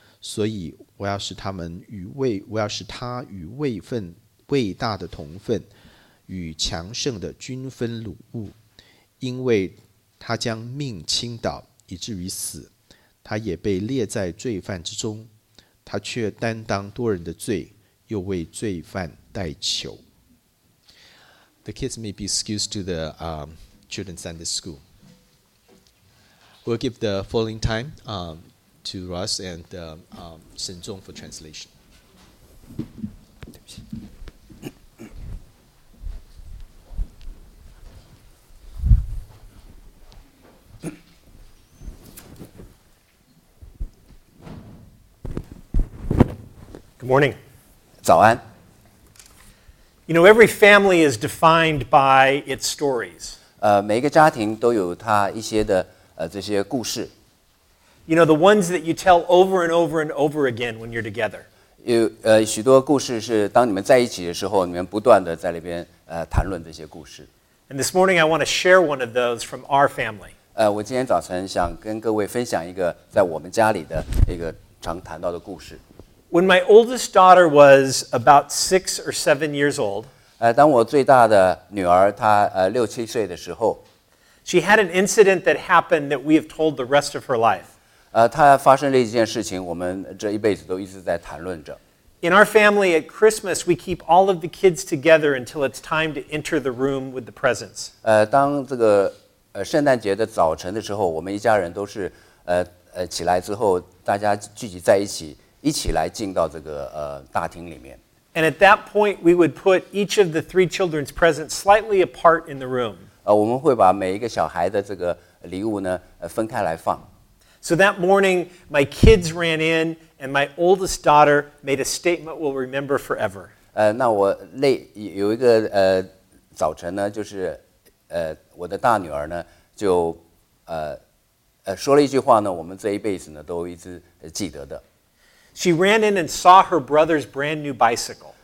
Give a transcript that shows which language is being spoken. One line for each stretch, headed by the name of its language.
Chinese: 所以我要使他与位分伟大的同分，与强盛的均分掳物，因为他将命倾倒以至于死，他也被列在罪犯之中，他却担当多人的罪，又为罪犯代求。
English: The kids may be excused to the children Sunday school. We'll give the following time to Russ and Shen Zhong for translation. Good morning.
Chinese: 早安。
English: You know, every family is defined by its stories.
Chinese: 每个家庭都有他一些的这些故事。
English: You know, the ones that you tell over and over and over again when you're together.
Chinese: 许多故事是当你们在一起的时候，你们不断的在那边谈论这些故事。
English: And this morning I want to share one of those from our family.
Chinese: 我今天早晨想跟各位分享一个在我们家里的一个常谈到的故事。
English: When my oldest daughter was about 6 or 7 years old,
Chinese: 当我最大的女儿她六七岁的时候，
English: she had an incident that happened that we have told the rest of her life.
Chinese: 她发生了一件事情，我们这一辈子都一直在谈论着。
English: In our family, at Christmas, we keep all of the kids together until it's time to enter the room with the presents.
Chinese: 当这个圣诞节的早晨的时候，我们一家人都是起来之后，大家聚集在一起，一起来进到这个大厅里面。
English: And at that point, we would put each of the three children's presents slightly apart in the room.
Chinese: 我们会把每一个小孩的这个礼物呢，分开来放。
English: So that morning, my kids ran in, and my oldest daughter made a statement we'll remember forever.
Chinese: 那我累有一个早晨呢，就是我的大女儿呢就说了一句话呢，我们这一辈子呢都一直记得的。
English: She ran in and saw her brother's brand new bicycle.